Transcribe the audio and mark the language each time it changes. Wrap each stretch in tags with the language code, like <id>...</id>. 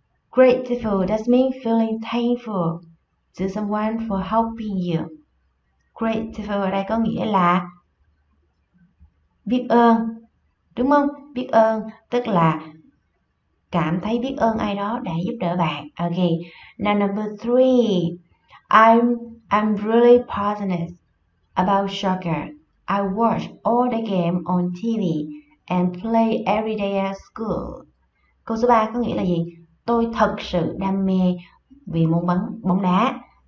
<en>Grateful does mean feeling thankful to someone for helping you.</en> <vi>Grateful ở đây có nghĩa là biết ơn. Đúng không? Biết ơn tức là cảm thấy biết ơn ai đó đã giúp đỡ bạn.</vi> <en>Ok. Now number three. I'm really passionate about soccer. I watch all the game on TV and play every day at school.</en> <vi>Câu số 3 có nghĩa là gì? Tôi thật sự đam mê vì bóng đá.</vi>